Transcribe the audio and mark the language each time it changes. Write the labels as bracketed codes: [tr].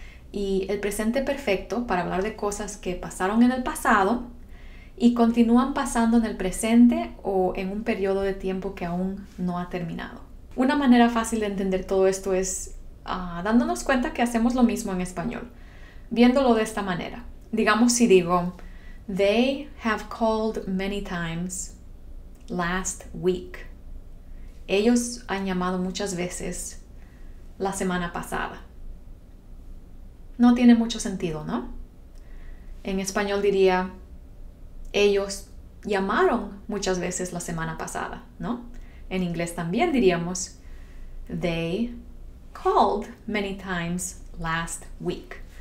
[es] Y el presente perfecto para hablar de cosas que pasaron en el pasado y continúan pasando en el presente o en un periodo de tiempo que aún no ha terminado. Una manera fácil de entender todo esto es dándonos cuenta que hacemos lo mismo en español, viéndolo de esta manera. Digamos si digo, [en] they have called many times last week. [es] Ellos han llamado muchas veces la semana pasada. No tiene mucho sentido, ¿no? En español diría, ellos llamaron muchas veces la semana pasada, ¿no? En inglés también diríamos, [en] they called many times last week.